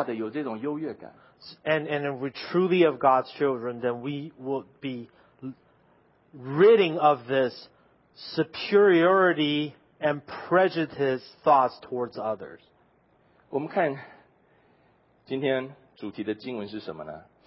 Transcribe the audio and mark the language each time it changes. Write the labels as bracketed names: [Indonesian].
[Chinese] 我们就不再会受到罪的捆绑，然后有这种感受，必要有这个人对自我的一种骄傲，然后需要有这种跟人比较之下的有这种优越感。 [English] And if we're truly of God's children, then we will be ridding of this superiority and prejudice thoughts towards others. [Chinese] 我们看今天主题的经文是什么呢？